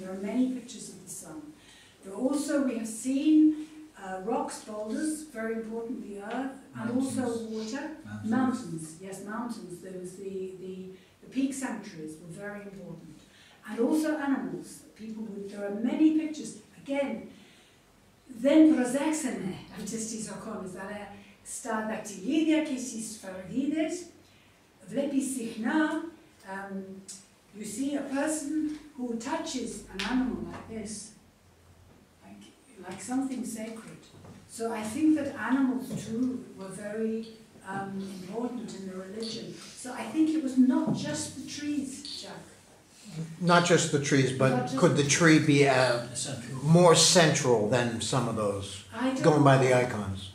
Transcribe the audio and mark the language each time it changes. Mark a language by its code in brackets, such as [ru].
[en] There are many pictures of the sun. But also, we have seen rocks, boulders, very important, the earth, mountains. And also water, mountains. There was the peak sanctuaries were very important. And also animals, people would, there are many pictures. Again, then [el] προσέξανε αυτές τις εικόνες, αλλά στα δακτυλίδια και στις σφραγίδες, βλέπεις συχνά, [en] you see a person who touches an animal like this, like something sacred. So I think that animals too were very important in the religion. So I think it was not just the trees, Jack. Not just the trees, but could the tree be more central than some of those, going by the icons?